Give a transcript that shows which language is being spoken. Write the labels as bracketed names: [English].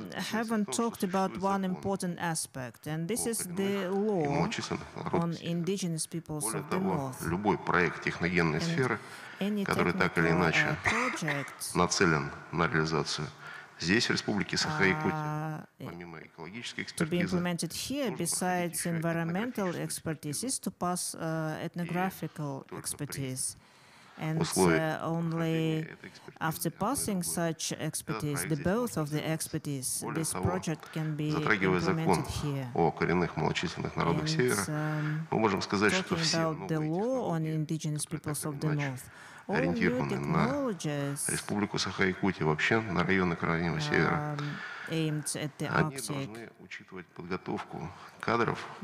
[English] Haven't talked about one important aspect, and this is the law on indigenous peoples of the North. [Russian] Любой проект техногенной сферы, который так или иначе нацелен на реализацию здесь, в Республике Саха-Якутия, помимо экологической экспертизы, [English] to be implemented here, besides environmental expertise, is to pass ethnographical expertise. And only after passing such expertise, the both of the expertise, this project can be implemented here. [Russian] О коренных малочисленных народах Севера, мы можем сказать, что все новые технологии, ориентированы на Республику Саха-Якутия, вообще на районы Крайнего Севера, они должны учитывать подготовку кадров